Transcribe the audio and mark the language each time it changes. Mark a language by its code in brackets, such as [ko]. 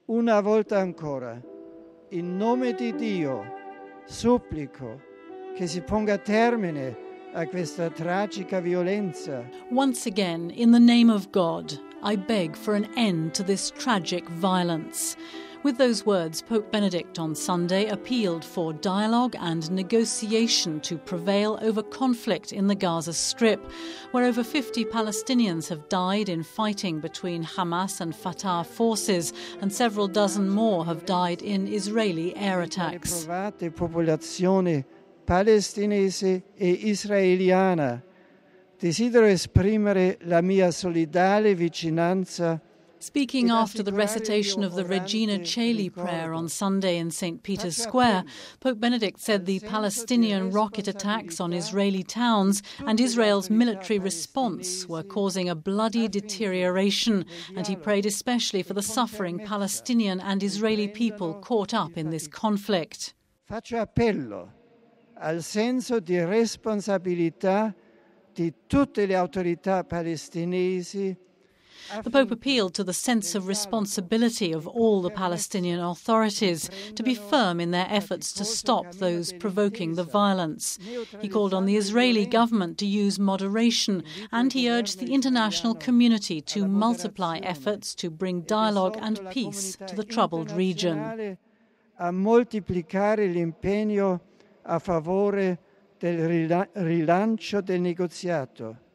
[it] Una volta ancora, in nome di Dio, supplico che si ponga termine a questa tragica violenza. [en] Once again, in the name of God, I beg for an end to this tragic violence. With those words, Pope Benedict on Sunday appealed for dialogue and negotiation to prevail over conflict in the Gaza Strip, where over 50 Palestinians have died in fighting between Hamas and Fatah forces, and several dozen more have died in Israeli air attacks. [it] La popolazione palestinese e israeliana desidero esprimere la mia solidale vicinanza. [en] Speaking after the recitation of the Regina Caeli prayer on Sunday in St. Peter's Square, Pope Benedict said the Palestinian rocket attacks on Israeli towns and Israel's military response were causing a bloody deterioration, and he prayed especially for the suffering Palestinian and Israeli people caught up in this conflict. [it] Faccio appello al senso di responsabilità di tutte le autorità palestinesi. [en] The Pope appealed to the sense of responsibility of all the Palestinian authorities to be firm in their efforts to stop those provoking the violence. He called on the Israeli government to use moderation, and he urged the international community to multiply efforts to bring dialogue and peace to the troubled region. [it] A moltiplicare l'impegno a favore del rilancio del negoziato.